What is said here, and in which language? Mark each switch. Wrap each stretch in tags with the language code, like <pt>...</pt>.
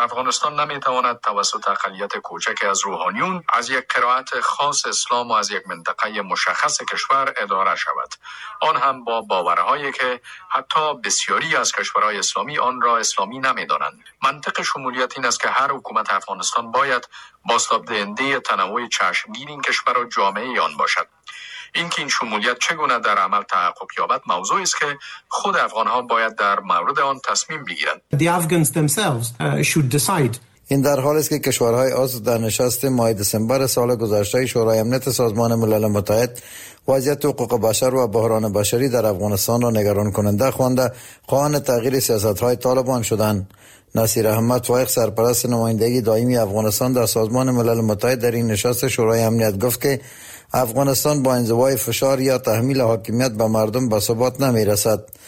<fa>افغانستان نمیتواند توسط اقلیت کوچکی از روحانیون، از یک قرائت خاص اسلام و از یک منطقه مشخص کشور اداره شود، آن هم با باورهایی که حتی بسیاری از کشورهای اسلامی آن را اسلامی نمیدانند. منطق شمولیت این است که هر حکومت افغانستان باید بازتاب دهنده تنوع چشمگیر این کشور و جامعه آن باشد. اینکه این شمولیت چگونه در عمل تحقق یابد موضوعی است که خود افغان ها باید در مورد آن تصمیم بگیرند.</fa> <en>The Afghans themselves should decide.</en> <fa>این در حالی است که کشورهای عضو در نشست ماه دسامبر سال گذشته شورای امنیت سازمان ملل متحد وضعیت حقوق بشر و بحران بشری در افغانستان را نگران کننده خوانده، خواهان تغییر سیاستهای طالبان شدند. نصیر احمد فایق، سرپرست نمایندگی دائمی افغانستان در سازمان ملل متحد، در این نشست شورای امنیت گفت که افغانستان با انزوای فشار یا تحمیل حاکمیت به مردم به ثبات نمی‌رسد.</fa>